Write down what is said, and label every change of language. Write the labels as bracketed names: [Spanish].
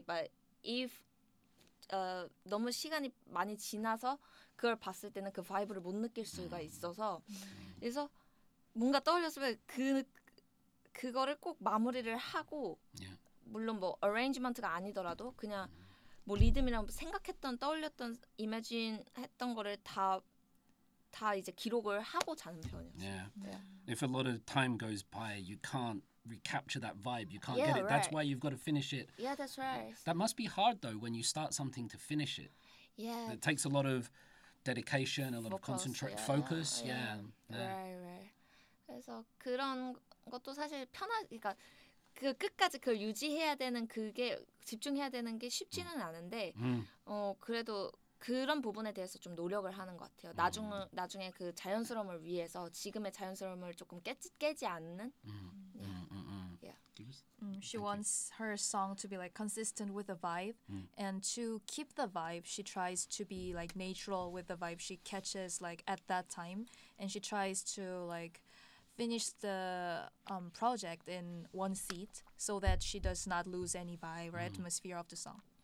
[Korean] But if 너무 시간이 많이 지나서 그걸 봤을 때는 그 바이브를 못 느낄 수가 있어서 그래서 뭔가 떠올렸으면 그거를 꼭 마무리를 하고 물론 뭐 arrangement가 아니더라도 그냥 뭐 리듬이랑 생각했던 떠올렸던 imagine 했던 거를 다 이제 기록을 하고 자는 편이었어요. [English] If a lot of time goes by, you can't recapture that vibe. You can't get it. Right. That's why you've got to finish it. Yeah, that's right. That must be hard though when you start something to finish it. Yeah. It takes a lot of dedication, a lot of concentrate, focus. Right. [Korean] 그래서 그런 것도 사실 그러니까 그 끝까지 그걸 유지해야 되는 그게 집중해야 되는 게 쉽지는 않은데 그래도 그런 부분에 대해서 좀 노력을 하는 것 같아요. 나중에 그 자연스러움을 위해서 지금의 자연스러움을 조금 깨지 않는. [English] She wants her song to be like consistent with the vibe, and to keep the vibe, she tries to be like natural with the vibe she catches like at that time, and she tries to like finish the project in one seat so that she does not lose any vibe or atmosphere of the song.